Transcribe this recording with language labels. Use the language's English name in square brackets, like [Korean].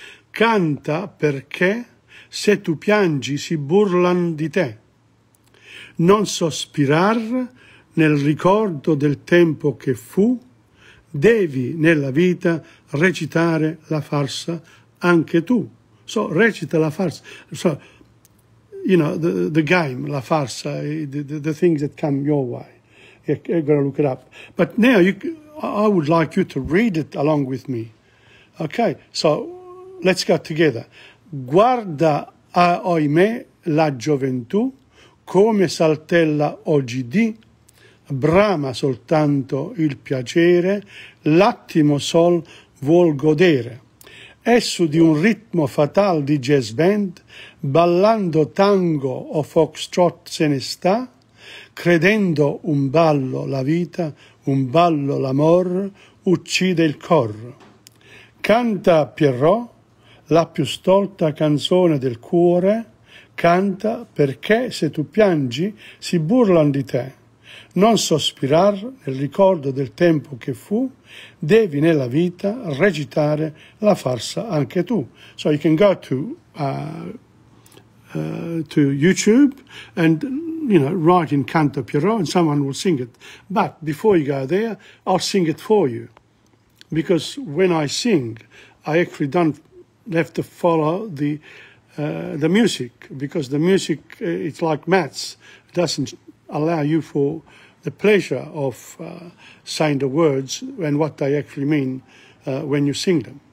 [Italian] Canta perché se tu piangi, si burlan di te. Non sospirar nel ricordo del tempo che fu, devi nella vita recitare la farsa anche tu. [English] So, [Italian] recita la farsa. [English] So, you know, the game, la farsa, the things that come your way. You're going to look it up. But now, I would like you to read it along with me. Okay, so let's go together. [Italian] Guarda, ahimè, la gioventù, come saltella oggi di, brama soltanto il piacere, l'attimo sol vuol godere. Esso di un ritmo fatal di jazz band, ballando tango o foxtrot se ne sta, credendo un ballo la vita, un ballo l'amor, uccide il cor. Canta Pierrot, la più stolta canzone del cuore, canta perché se tu piangi si burlan di te. Non sospirar nel ricordo del tempo che fu, devi nella vita recitare la farsa anche tu. [English] So you can go to YouTube and, you know, write in Canto Pierrot and someone will sing it. But before you go there, I'll sing it for you. Because when I sing, I actually don't have to follow the music, because the music, it's like maths, it doesn't allow you for the pleasure of saying the words and what they actually mean when you sing them.